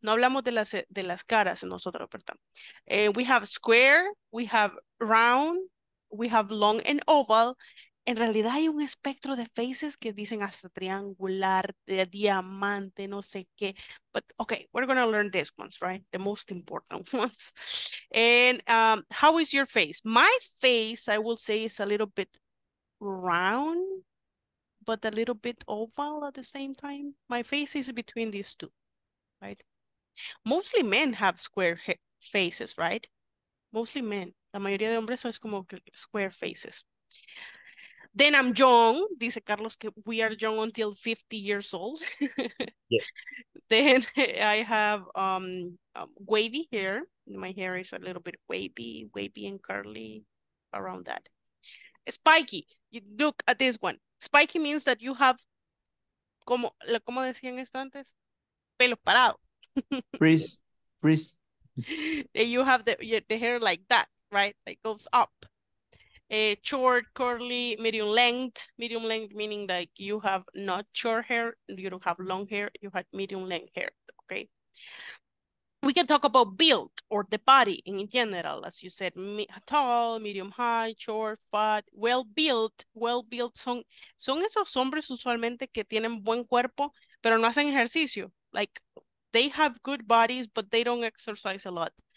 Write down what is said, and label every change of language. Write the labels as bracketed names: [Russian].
[Spanish] No hablamos de las caras en nosotros, perdón. [English] We have square. We have round. We have long and oval. [Spanish] En realidad hay un espectro de faces que dicen hasta triangular, de diamante, no sé qué. [English] But okay, we're going to learn these ones, right? The most important ones. And how is your face? My face, I will say, is a little bit round, but a little bit oval at the same time. My face is between these two, right? Mostly men have square faces, right? Mostly men. [Spanish] La mayoría de hombres son como square faces. [English] Then I'm young, [Spanish] dice Carlos, que [English] we are young until 50 years old. Yeah. Then I have wavy hair. My hair is a little bit wavy and curly around that. Spiky, you look at this one. Spiky means that you have, [Spanish] como decían esto antes, pelo parado. [English] Freeze. You have the hair like that, right? Like goes up. Short, curly, medium length. Medium length meaning like you have not short hair, you don't have long hair, you have medium length hair, okay? We can talk about build or the body in general, as you said, tall, medium high, short, fat, well built. [Spanish] Son esos hombres usualmente que tienen buen cuerpo, pero no hacen ejercicio. [English] Like, they have good bodies, but they don't exercise a lot.